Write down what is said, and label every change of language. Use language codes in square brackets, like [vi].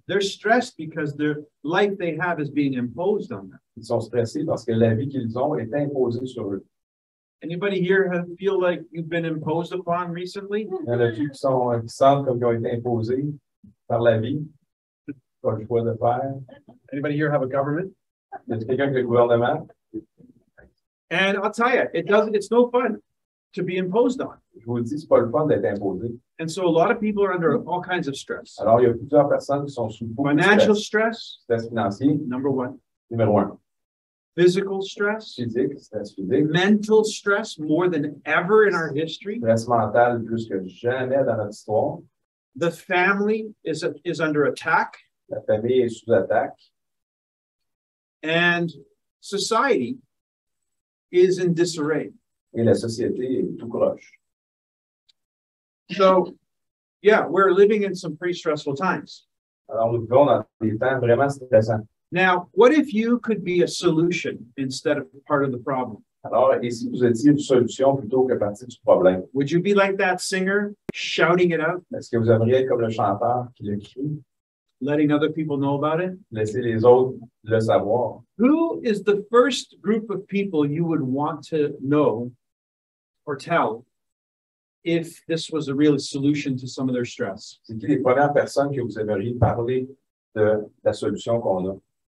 [en] They're stressed because their life they have is being imposed on them. [fr] Ils sont stressés parce que la vie qu'ils ont est imposée sur eux. [en] Anybody here have feel like you've been imposed upon recently? [fr] Il y en a qui sentent comme qu'ils ont été imposés par la vie, par le choix de faire. [en] Anybody here have a government? [fr] Est-ce quelqu'un qui a un gouvernement? [en] And I'll tell you, it's no fun to be imposed on. [fr] Je vous dis, c'est pas le fun d'être imposé. [en] And so a lot of people are under all kinds of stress. [fr] Alors, il y a plusieurs personnes qui sont sous beaucoup [en] financial [fr] de stress. [en] Stress [fr] financier. [en] Number one. [fr] Numéro un. [en] Physical stress. [fr] Physique, stress physique. [en] Mental stress more than ever in our history. [fr] Stress mental plus que jamais dans notre histoire. [en] The family is under attack. [fr] La famille est sous attaque. [en] And society is in disarray. [fr] Et la société est tout croche. [en] So, yeah, we're living in some pretty stressful times. [fr] Alors, nous vivons dans des temps vraiment stressants. [en] Now, what if you could be a solution instead of part of the problem? [fr] Alors, et si vous étiez une solution plutôt que partie du problème? [en] Would you be like that singer, shouting it out? [fr] Est-ce que vous aimeriez être comme le chanteur qui le crie? [en] Letting other people know about it? [fr] Laissez les autres le savoir. [en] Who is the first group of people you would want to know or tell if this was a real solution to some of their stress? [fr] C'est qui les premières personnes que vous aimeriez parler de la solution qu'on a?